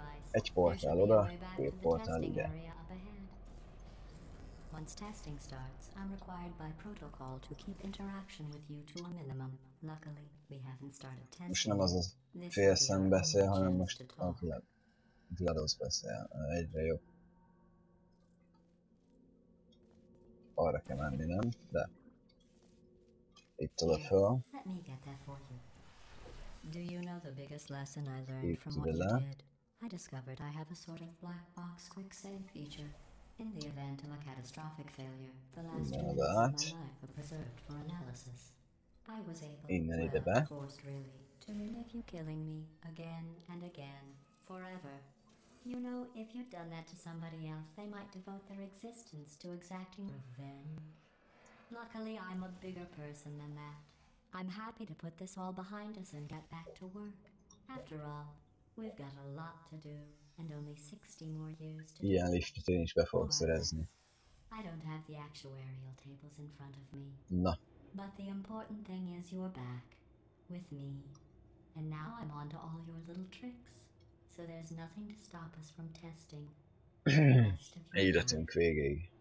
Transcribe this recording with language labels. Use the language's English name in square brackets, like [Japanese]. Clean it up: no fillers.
[Hungarian] Egy portál oda, két portál ide. [English] Once testing starts, I'm required by protocol to keep interaction with you to a minimum. Luckily, we haven't started testing. [Hungarian] Most nem az a félszem beszél, hanem most a GLaDOS beszél. Egyre jobb. Arra kell menni, nem? De. Itt oda föl. [English] Let me get that for you. Do you know the biggest lesson I learned from what you did? I discovered I have a sort of black box quick save feature. In the event of a catastrophic failure, the last two minutes of my life were preserved for analysis. I was able, forced really, to relive you killing me again and again, forever. You know, if you'd done that to somebody else, they might devote their existence to exacting revenge. Luckily, I'm a bigger person than that. I'm happy to put this all behind us and get back to work. After all, we've got a lot to do, and only 60 more years to. [Hungarian] Ilyen listát én is be fogok szerezni. [English] I don't have the actuarial tables in front of me. Na. But the important thing is you're back with me. And now I'm on to all your little tricks. So there's nothing to stop us from testing. [Hungarian] Életünk végéig.